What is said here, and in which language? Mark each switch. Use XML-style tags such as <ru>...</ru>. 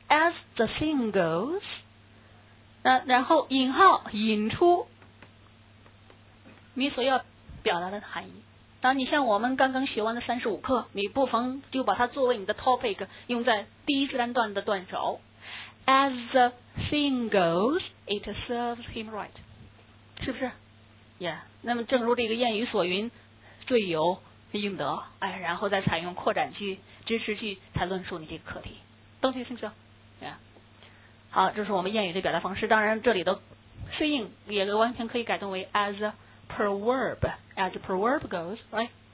<en>As the saying goes，</en> <zh>然后引号引出你所要表达的含义。当你像我们刚刚学完的35课，你不妨就把它作为你的 topic， 用在第一自然段的段首。</zh> <en>As the thing goes, it serves him right，</en> <zh>是不是？ Yeah， 那么正如这个谚语所云，罪有应得，然后再采用扩展句、支持句才论述你这个课题。</zh> <en>Don't you think so？</en> <zh>Yeah， 好，这是我们谚语的表达方式。当然这里的适应也完全可以改动为</zh> <en>as aproverb， as proverb goes， right？</en>